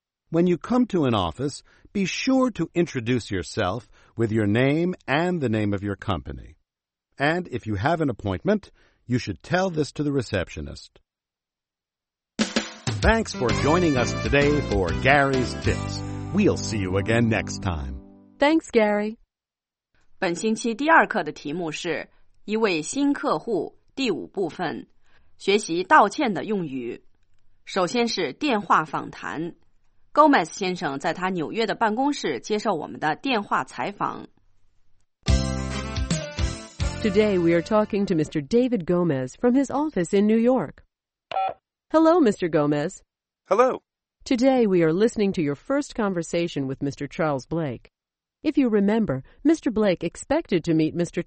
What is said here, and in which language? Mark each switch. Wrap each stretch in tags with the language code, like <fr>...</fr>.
<en>When you come to an office, be sure to introduce yourself with your name and the name of your company. And if you have an appointment, you should tell this to the receptionist. Thanks for joining us today for Gary's Tips. We'll see you again next time. Thanks, Gary.</en> <zh>本星期第二课的题目是一位新客户第五部分，学习道歉的用语。首先是电话访谈。Gomez 先生在他纽约的办公室接受我们的电话采访。</zh> <en>Today we are talking to Mr. David Gomez from his office in New York. Hello, Mr. Gomez. Hello. Today we are listening to your first conversation with Mr. Charles Blake. If you remember, Mr. Blake expected to meet Mr.</en>